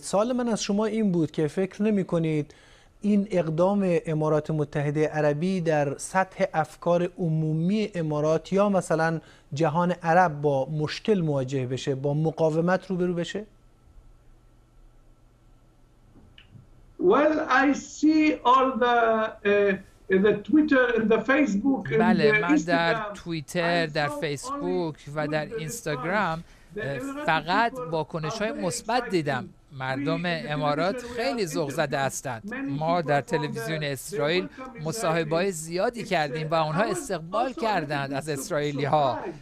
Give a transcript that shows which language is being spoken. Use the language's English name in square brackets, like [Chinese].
[Persian] سوال من از شما این بود که فکر نمی کنید این اقدام امارات متحده عربی در سطح افکار عمومی امارات یا مثلا جهان عرب با مشکل مواجه بشه، با مقاومت روبرو بشه؟ [English] Well, I see all the Twitter and the Facebook and [Persian] بله، من در توییتر، در فیسبوک و در اینستاگرام فقط واکنش‌های مثبت دیدم. مردم امارات خیلی ذوق زده هستند. ما در تلویزیون اسرائیل مصاحبه‌های زیادی کردیم و آنها استقبال کردند از اسرائیلی ها.